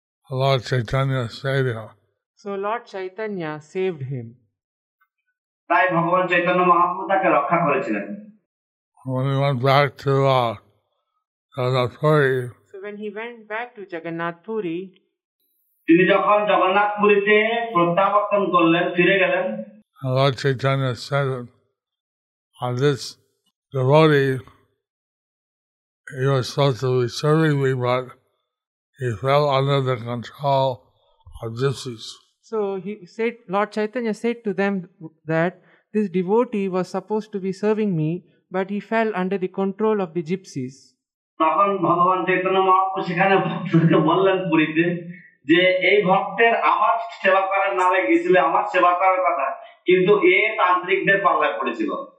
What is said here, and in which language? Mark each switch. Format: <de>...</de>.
<en>Lord Chaitanya saved him. So Lord Chaitanya saved him.</en> <bn>Tai Bhagavan Chaitanya Mahaprabhu take rakha korechilen.</bn> <en>When he went back to Jagannath Puri. So when he went back to Jagannath Puri.</en> <bn>তিনি যখন জগন্নাথ পুরীতে প্রত্যাবর্তন করলেন ফিরে গেলেন</bn> <en>Lord Chaitanya said, "On this devotee, he was supposed to be serving me, but he fell under the control of gypsies." So he said, Lord Chaitanya said to them that this devotee was supposed to be serving me, but he fell under the control of the gypsies.</en> <bn>তখন ভগবান চৈতন্য মহাপ্রভু সেখানে ভক্তকে বললেন পুরীতে যে এই ভক্তের আমার সেবা করার নামে গেছিল আমার সেবা করার কথা কিন্তু এ তান্ত্রিকদের পাল্লায় পড়েছিল।</bn>